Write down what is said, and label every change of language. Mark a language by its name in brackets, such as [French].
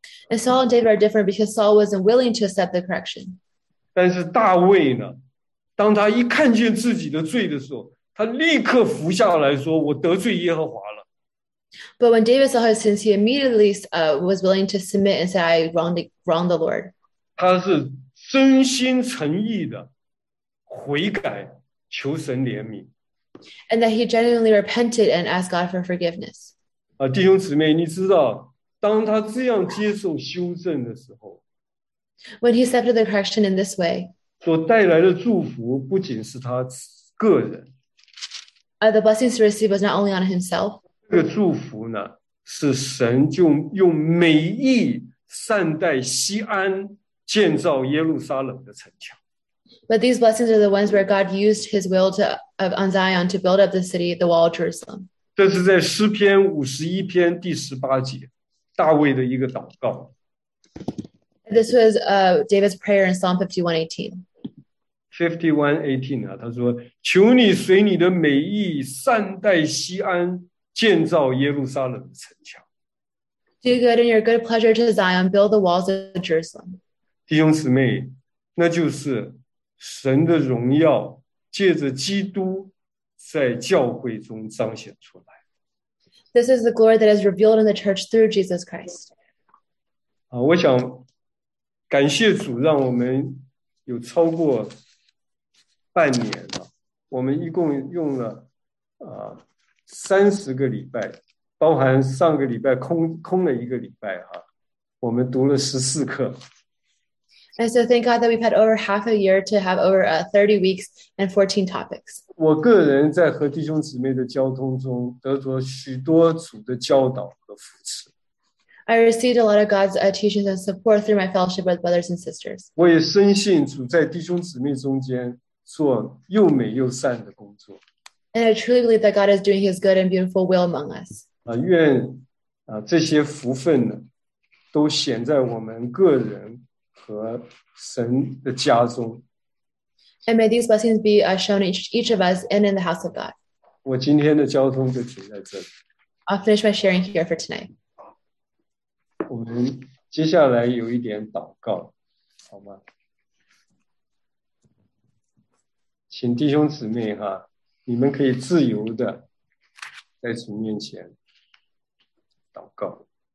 [English] And Saul and David are different because Saul wasn't willing to accept the correction. [Chinese] 但是大卫呢？当他一看见自己的罪的时候，他立刻伏下来说：“我得罪耶和华了。” [English] But when David saw his sins, he immediately was willing to submit and say, "I wronged the Lord." [Chinese] 他是真心诚意的悔改，求神怜悯。 [English] And that he genuinely repented and asked God for forgiveness. [Chinese] 弟兄姊妹，你知道，当他这样接受修正的时候 [English] ，When he accepted the correction in this way. [Chinese] 所带来的祝福不仅是他个人。 [English] The blessings he received was not only on himself. [Chinese] 这个祝福呢，是神就用美意善待锡安，建造耶路撒冷的城墙。 [English] But these blessings are the ones where God used His will on Zion to build up the city, the wall of Jerusalem. [Chinese] 这是在诗篇五十一篇第十八节，大卫的一个祷告。 [English] This was David's prayer in Psalm 51:18. [Chinese] 51:18 啊，他说：“求你随你的美意，善待锡安，建造耶路撒冷城墙。” [English] Do good in your good pleasure to Zion, build the walls of Jerusalem. [Chinese] 弟兄姊妹，那就是神的荣耀借着基督在教会中彰显出来。 [English] This is the glory that is revealed in the church through Jesus Christ. [Chinese] 啊，我想感谢主，让我们有超过半年了，我们一共用了30个礼拜，包含上个礼拜空了一个礼拜哈，我们读了14课。 [English] And so thank God that we've had over half a year to have over 30 weeks and 14 topics. [Chinese] 我个人在和弟兄姊妹的交通中得着许多主的教导和扶持。 [English] I received a lot of God's teachings and support through my fellowship with brothers and sisters. [Chinese] 我也深信主在弟兄姊妹中间做又美又善的工作。 [English] And I truly believe that God is doing His good and beautiful will among us. [Chinese] 愿这些福分呢，都显在我们个人和神的家中。 [English] And may these blessings be shown each of us and in the house of God. [Chinese] 我今天的交通就停在这里。 [English] I'll finish my sharing here for tonight. [Chinese] 我们接下来有一点祷告，好吗？请弟兄姊妹哈，你们可以自由的在主面前祷告。